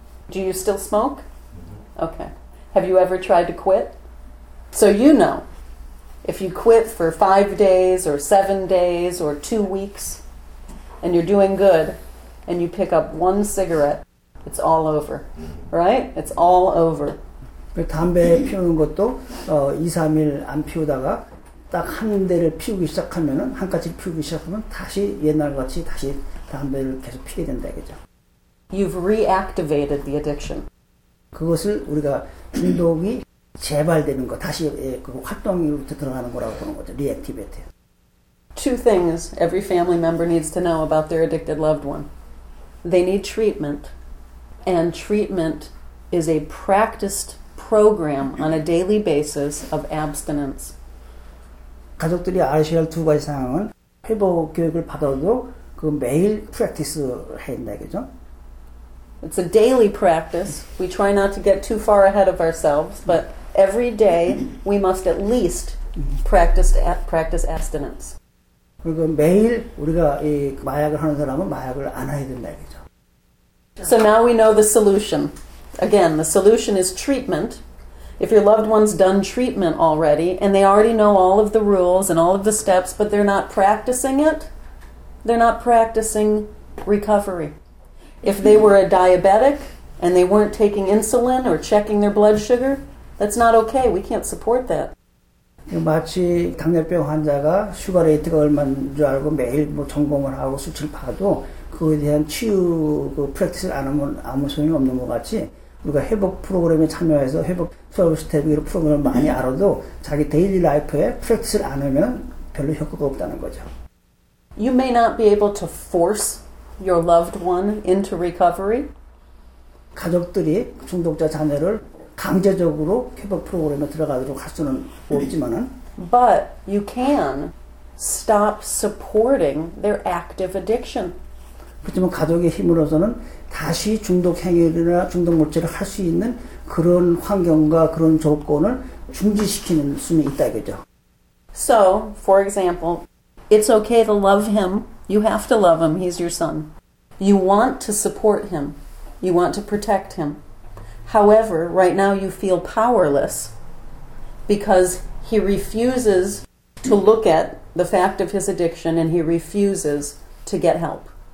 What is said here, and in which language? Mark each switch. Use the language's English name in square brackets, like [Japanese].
[English] Do you still smoke? Okay. Have you ever tried to quit? So you know. If you quit for 5 days or 7 days or 2 weeks and you're doing good and you pick up one cigarette, it's all over, right? It's all over. [Korean] 담배 피우는 것도 2-3일 안 피우다가 딱 한 대를 피우기 시작하면은 한 가지 피우기 시작하면 다시 옛날같이 다시 담배를 계속 피게 된다 이거죠. [English] You've reactivated the addiction. [Korean] 그것을 우리가 중독이 재발되는 거, 다시 그 활동으로 들어가는 거라고 보는 거죠. [English] Reactivate. Two things every family member needs to know about their addicted loved one. They need treatment. And treatment is a practiced program on a daily basis of abstinence. [Korean] 가족들이 아셔야 할 두 가지 사항은 회복 교육을 받아도 그 매일 프랙티스 해야 된다 이거죠. [English] It's a daily practice. We try not to get too far ahead of ourselves, but every day we must at least practice abstinence. [Korean] 그리고 매일 우리가 이 마약을 하는 사람은 마약을 안 해야 된다 이거죠. [English] So now we know the solution. Again, the solution is treatment. If your loved one's done treatment already and they already know all of the rules and all of the steps, but they're not practicing it, they're not practicing recovery. If they were a diabetic and they weren't taking insulin or checking their blood sugar, that's not okay. We can't support that. [Korean] 마치 당뇨병 환자가 슈가 레이트가 얼마인 줄 알고 매일 뭐 점검을 하고 수치를 봐도 그거에 대한 치유 그 프랙티스를 안 하면 아무 소용이 없는 것 같이 우리가 회복 프로그램에 참여해서 회복 12스텝 이런 프로그램을 많이 알아도 자기 데일리 라이프에 프랙티스를 안 하면 별로 효과가 없다는 거죠. [English] You may not be able to force your loved one into recovery. [Korean] 가족들이 중독자 자녀를 강제적으로 회복 프로그램에 들어가도록 할 수는 없지만은 [English] But you can stop supporting their active addiction. [Korean] 그렇지만 가족의 힘으로서는 다시 중독 행위나 중독 물질을 할 수 있는 그런 환경과 그런 조건을 중지시키는 수는 있다 이거죠. [English] So, for example, it's okay to love him. You have to love him. He's your son. You want to support him. You want to protect him. However, right now you feel powerless because he refuses to look at the fact of his addiction and he refuses to get help.